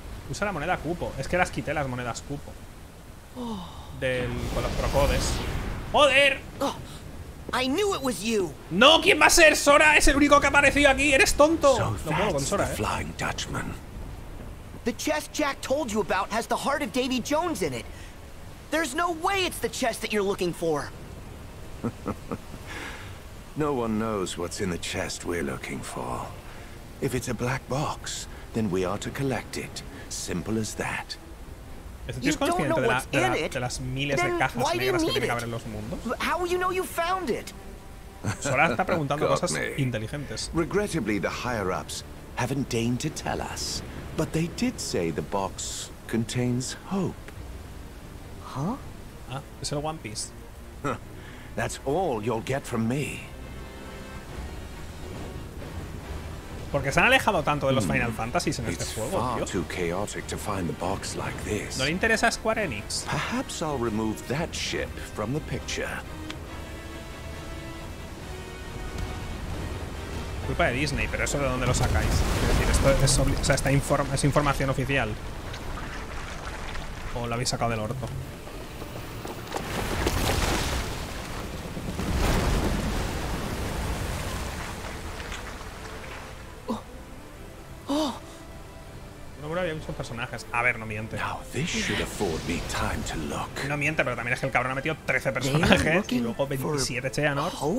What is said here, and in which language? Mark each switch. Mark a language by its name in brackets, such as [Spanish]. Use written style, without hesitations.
[Spanish] Usa la moneda cupo. Es que las quité las monedas cupo. Del. Con los procodes. ¡Joder! [English] I knew it was you. [Spanish] No, ¿quién va a ser? Sora es el único que ha aparecido aquí. Eres tonto. So no puedo con Sora, Flying Dutchman. [English] The chest Jack told you about has the heart of Davy Jones in it. There's no way it's the chest that you're looking for. No one knows what's in the chest we're looking for. If it's a black box, then we are to collect it. Simple as that. [Spanish] ¿Tú eres consciente de las miles de cajas negras que tiene que haber en los mundos? [English] How you know you found it? [Spanish] Sora está preguntando cosas inteligentes. [English] Regrettably, the higher ups haven't deigned to tell us, but they did say the box contains hope. Huh? [Spanish] Ah, es el One Piece. [English] That's all you'll get from me. [Spanish] Porque se han alejado tanto de los Final Fantasy en este juego, tío. [English] Too chaotic to find the box like this. [Spanish] No le interesa a Square Enix. [English] Perhaps I'll remove that ship from the picture. [Spanish] Culpa de Disney, pero eso de dónde lo sacáis. Es decir, esto es, es información oficial. O lo habéis sacado del orto. Personajes. A ver, no miente. [English] Now, this should afford me time to look. [Spanish] No miente, pero también es que el cabrón ha metido 13 personajes y luego 27 Cheanor.